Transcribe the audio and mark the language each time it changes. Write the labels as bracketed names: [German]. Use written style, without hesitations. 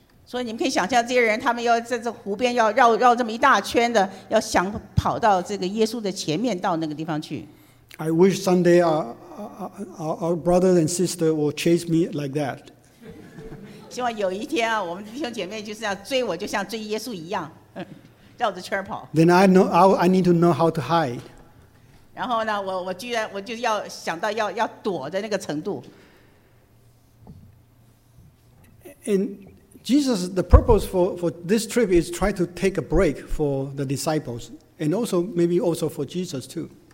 [Chinese] 所以你们可以想象，这些人他们要在这湖边要绕这么一大圈的，要想跑到这个耶稣的前面到那个地方去。 [English] I wish someday our brothers and sisters will chase me like that. [Chinese] 希望有一天啊，我们弟兄姐妹就是要追我，就像追耶稣一样，绕着圈跑。 [English] Then I need to know how to hide. [Chinese] 然后呢，我就要想到要躲的那个程度。 [English] And Jesus, the purpose for this trip is try to take a break for the disciples, and also maybe also for Jesus too.